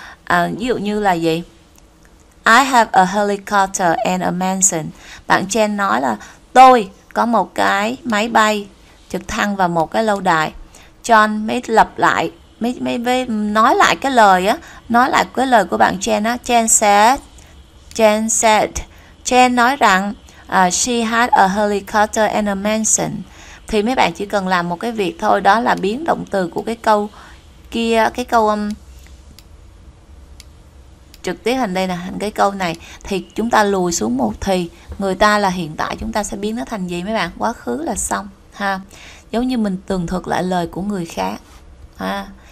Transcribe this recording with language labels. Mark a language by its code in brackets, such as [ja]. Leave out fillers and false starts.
[vi] Ví dụ như là gì? [en] I have a helicopter and a mansion. [vi] Bạn Jen nói là tôi có một cái máy bay trực thăng và một cái lâu đài. John mới lặp lại, mới nói lại cái lời á, nói lại cái lời của bạn Jen á. [en] Jen [vi] nói rằng [en] she has a helicopter and a mansion. [vi] Thì mấy bạn chỉ cần làm một cái việc thôi, đó là biến động từ của cái câu kia, cái câu trực tiếp thành đây nè, thành cái câu này, thì chúng ta lùi xuống một thì người ta là hiện tại, chúng ta sẽ biến nó thành gì mấy bạn? Quá khứ là xong ha, giống như mình tường thuật lại lời của người khác ha.